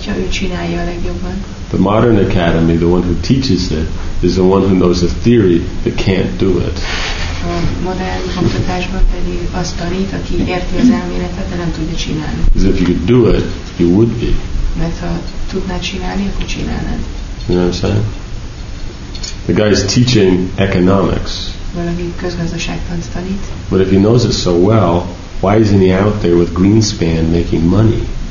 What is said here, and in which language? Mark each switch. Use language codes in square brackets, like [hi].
[en] The modern academy, the one who teaches it, is the one who knows the theory but can't do it. [hu] a modern oktatásban pedig azt tanít, aki érti az elméletet, de nem tudja csinálni. [en] Because if you could do it, you would be. [hu] Mert ha tudnád csinálni, akkor csinálnád. [en] You know what I'm saying? The guy is teaching economics. [hu] Valaki közgazdaságtant tanít. [en] But if he knows it so well, why isn't he out there with Greenspan making money?